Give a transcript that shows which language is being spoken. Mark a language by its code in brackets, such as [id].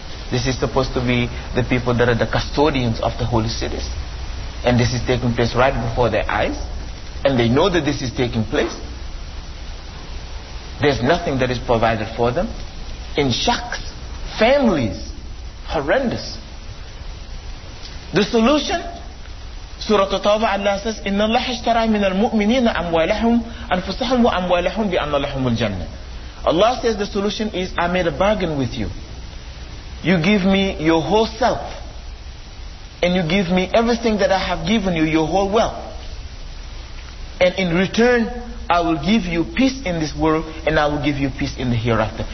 [en] This is supposed to be the people that are the custodians of the holy cities, and this is taking place right before their eyes, and they know that this is taking place. There's nothing that is provided for them. In shacks, families, horrendous. The solution? [ar] Surah At-Tawbah, [en] Allah says, [ar] إِنَّ اللَّهَ اشْتَرَى مِنَ الْمُؤْمِنِينَ أَمْوَالَهُمْ أَنفُسَهُمْ وَأَمْوَالَهُمْ بِأَنَّ لَهُمُ الْجَنَّةِ. [en] Allah says the solution is, I made a bargain with you. You give me your whole self, and you give me everything that I have given you, your whole wealth. And in return, I will give you peace in this world, and I will give you peace in the hereafter.